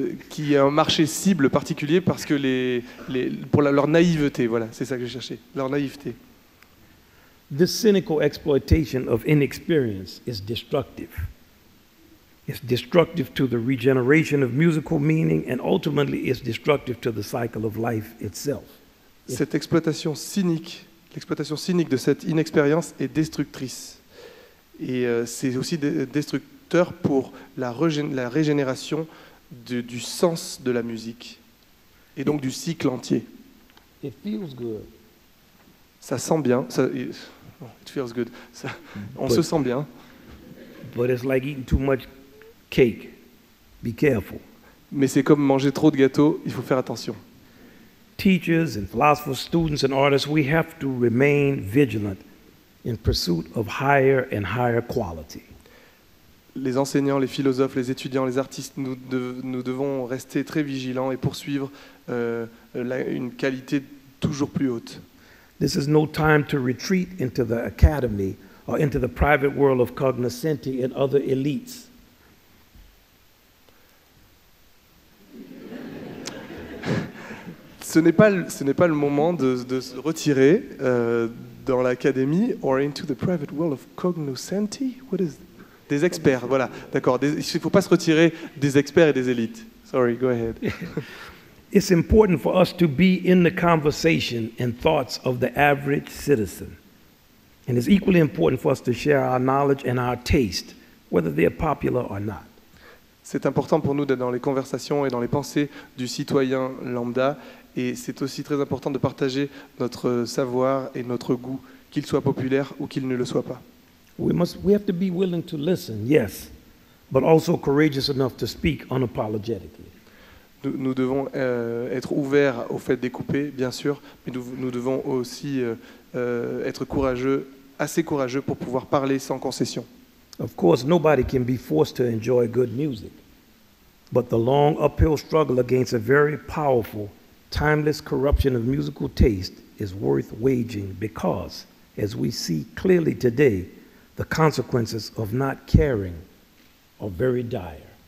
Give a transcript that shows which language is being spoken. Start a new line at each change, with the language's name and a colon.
French: Qui est un marché cible particulier parce que leur naïveté, voilà, c'est ça que j'ai cherché, leur naïveté.
English: The cynical exploitation of inexperience is destructive. It's destructive to the regeneration of musical meaning, and ultimately it's destructive to the cycle of life itself.
French: Cette exploitation cynique, l'exploitation cynique de cette inexpérience est destructrice. Et c'est aussi destructeur pour la régénération du sens de la musique, et donc du cycle entier.
English: It feels good.
French: Ça sent bien.
English: It feels good.
French: Se sent bien.
English: But it's like eating too much cake. Be careful.
French: Mais c'est comme manger trop de gâteaux, il faut faire attention.
English: Teachers and philosophers, students and artists, we have to remain vigilant in pursuit of higher and higher quality.
French: Les enseignants, les philosophes, les étudiants, les artistes, nous devons rester très vigilants et poursuivre une qualité toujours plus haute.
English: This is no time to retreat into the academy or into the private world of Cognoscenti and other elites.
French: Ce n'est pas le moment de se retirer dans l'académie
English: or into the private world of Cognoscenti. What is
French: des experts? Voilà, d'accord. Il ne faut pas se retirer des experts et des élites.
English: Sorry, go ahead. It's important for us to be in the conversation and thoughts of the average citizen, and it's equally important for us to share our knowledge and our taste, whether they're popular or not.
French: C'est important pour nous d'être dans les conversations et dans les pensées du citoyen lambda. Et c'est aussi très important de partager notre savoir et notre goût, qu'il soit populaire ou qu'il ne le soit pas.
English: We have to be willing to listen, yes, but also courageous enough to speak unapologetically.
French: Nous devons être ouverts au fait d'écouper, bien sûr, mais nous devons aussi être courageux, assez courageux pour pouvoir parler sans concession.
English: Of course, nobody can be forced to enjoy good music, but the long uphill struggle against a very powerful timeless corruption of musical taste is worth waging because, as we see clearly today, the consequences of not caring are very dire.